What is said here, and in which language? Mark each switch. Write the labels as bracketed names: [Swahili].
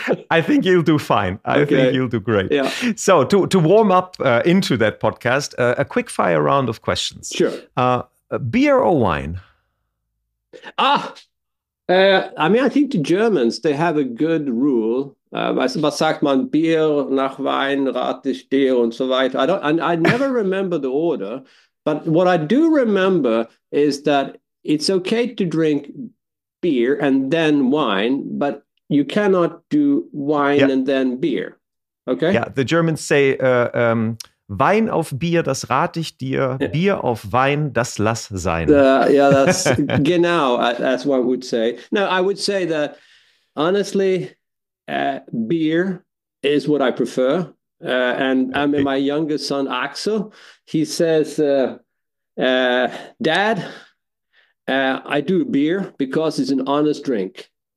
[English] I think you'll do fine. I think you'll do great. Yeah. So to warm up into that podcast, a quick fire round of questions. Sure. Beer or wine? I mean, I think the Germans, they have a good rule. [German] Was sagt man? Bier nach Wein rat ich dir und so weiter. [English] I never remember the order, but what I do remember is that it's okay to drink beer and then wine, but you cannot do wine and then beer. Okay. Yeah, the Germans say [German] Wein auf Bier, das rate ich dir. Bier auf Wein, das lass sein. [English] That's genau, as one would say. No, I would say that honestly. Beer is what I prefer. And my youngest son, Axel, he says, Dad, I do beer because it's an honest drink.